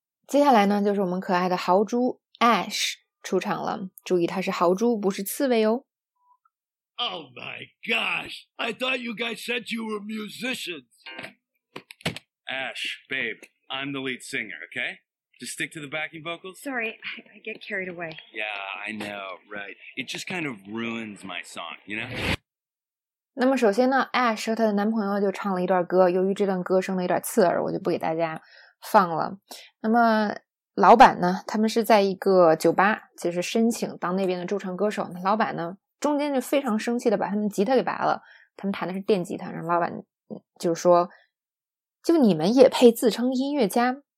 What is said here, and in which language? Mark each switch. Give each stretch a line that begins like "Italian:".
Chinese: 接下来呢，就是我们可爱的豪猪 Ash 出场了。注意，它是豪猪，不是刺猬哦。
English: Oh my gosh! I thought you guys said you were musicians. Ash, babe, I'm the lead singer. Okay, just stick to the backing vocals. Sorry, I get carried away. Yeah, I know, right? It just kind of ruins my song, you know.
Chinese: 那么首先呢 ，Ash 和她的男朋友就唱了一段歌。由于这段歌声呢有点刺耳，我就不给大家放了。那么老板呢，他们是在一个酒吧，就是申请当那边的驻唱歌手。老板呢？中间就非常生气的把他们吉他给拔了，他们弹的是电吉他，然后老板就说，就你们也配自称音乐家？